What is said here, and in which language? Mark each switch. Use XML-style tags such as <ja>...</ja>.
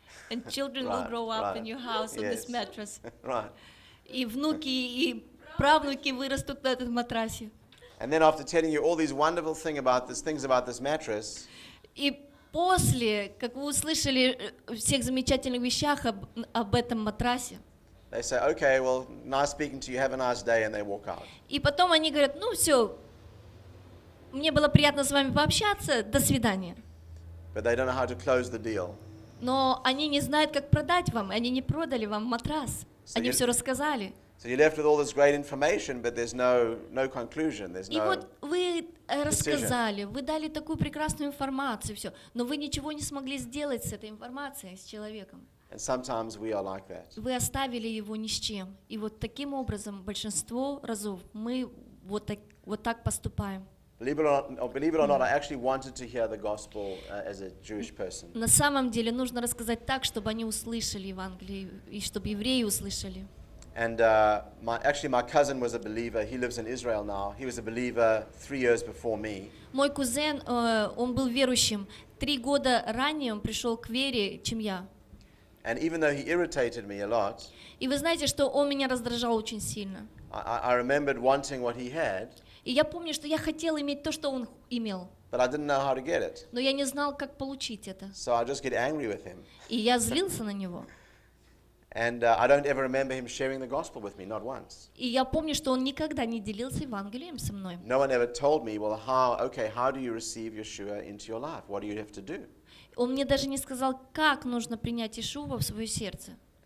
<en>And children will grow up in your house on this mattress.</en> <ru>И внуки, и правнуки вырастут на этом матрасе.</ru> <en>And then after telling you all these wonderful things about this mattress.</en> <ru>И после, как вы услышали всех замечательных вещах об этом матрасе.</ru> <en>They say, "Okay, well, nice speaking to you. Have a nice day," and they walk out.</en> <ru>И потом они говорят, ну все, мне было приятно с вами пообщаться, до свидания.</ru> <en>But they don't know how to close the deal.</en> <ru>Но они не знают, как продать вам. Они не продали вам матрас. Они все рассказали.</ru> <en>So you're left with all this great information, but there's no conclusion. There's no.</en> <ru>И вот вы рассказали, вы дали такую прекрасную информацию, все, но вы ничего не смогли сделать с этой информацией, с человеком. And sometimes we are like that. Вы оставили его ни с чем. И вот таким образом большинство разов мы вот так поступаем.</ru> <en>Believe it or not, I actually wanted to hear the gospel as a Jewish person.</en> <ru>На самом деле нужно рассказать так, чтобы они услышали Евангелие и чтобы евреи услышали.</ru> <en>And my cousin was a believer. He lives in Israel now. He was a believer 3 years before me.</en> <ru>Мой кузен, он был верующим 3 года ранее, он пришел к вере, чем я.</ru> <en>And even though he irritated me a lot,</en> <ru>и вы знаете, что он меня раздражал очень сильно.</ru> <en>I remembered wanting what he had.</en> <ru>И я помню, что я хотел иметь то, что он имел.</ru> <en>But I didn't know how to get it.</en> <ru>Но я не знал, как получить это.</ru> <en>So I just get angry with him.</en> <ru>И я злился на него.</ru> <en>And I don't ever remember him sharing the gospel with me, not once.</en> <ru>И я помню, что он никогда не делился Евангелием со мной.</ru> <en>No one ever told me, well, how do you receive Yeshua into your life? What do you have to do?</en> <ru>Он мне даже не сказал, как нужно принять Иешуа в свое сердце.</ru>